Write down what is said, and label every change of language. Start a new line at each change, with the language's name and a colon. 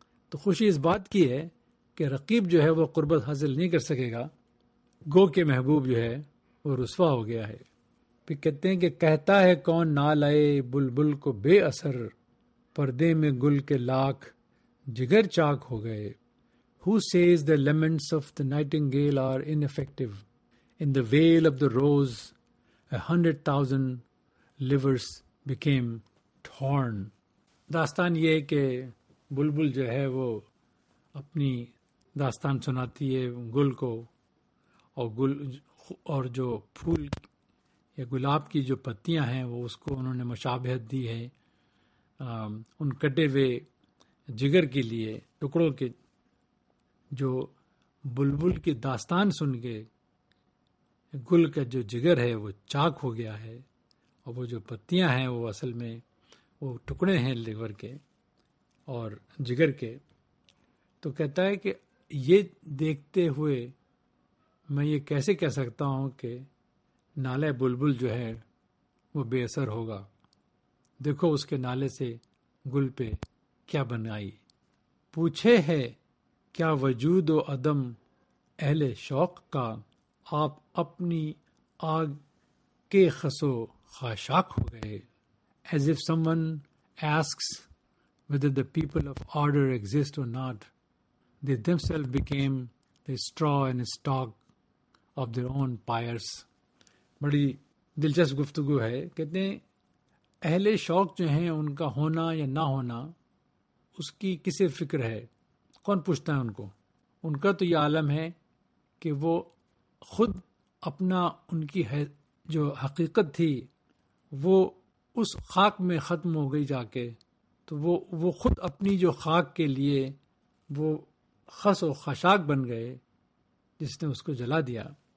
Urdu: تو خوشی اس بات کی ہے کہ رقیب جو ہے وہ قربت حاصل نہیں کر سکے گا, گو کے محبوب جو ہے وہ رسوا ہو گیا ہے. پھر کہتے ہیں کہ, کہتا ہے کون نہ لائے بلبل کو بے اثر, پردے میں گل کے لاکھ جگر چاک ہو گئے.
English: Who says the laments of the nightingale are ineffective? In the wail of the rose, 100,000 livers became torn.
Urdu: داستان یہ کہ بلبل جو ہے وہ اپنی داستان سناتی ہے گل کو, اور گل اور جو پھول یا گلاب کی جو پتیاں ہیں وہ اس کو انہوں نے مشابہت دی ہے ان کٹے ہوئے جگر کے لیے ٹکڑوں کے, جو بلبل کی داستان سن کے گل کا جو جگر ہے وہ چاک ہو گیا ہے, اور وہ جو پتیاں ہیں وہ اصل میں وہ ٹکڑے ہیں لیور کے اور جگر کے. تو کہتا ہے کہ یہ دیکھتے ہوئے میں یہ کیسے کہہ سکتا ہوں کہ نالے بلبل جو ہے وہ بے اثر ہوگا, دیکھو اس کے نالے سے گل پہ کیا بن آئی. پوچھے ہے کیا وجود و عدم اہل شوق کا, آپ اپنی آگ کے خسو خاشاک ہو گئے.
English: As if someone asks whether the people of order exist or not, they themselves became the straw and stalk of their own pyres.
Urdu: بڑی دلچسپ گفتگو ہے. کہتے ہیں اہل شوق جو ہیں ان کا ہونا یا نہ ہونا اس کی کسے فکر ہے, کون پوچھتا ہے ان کو؟ ان کا تو یہ عالم ہے کہ وہ خود اپنا ان کی جو حقیقت تھی وہ اس خاک میں ختم ہو گئی جا کے, تو وہ خود اپنی جو خاک کے لیے وہ خس و خشاک بن گئے جس نے اس کو جلا دیا.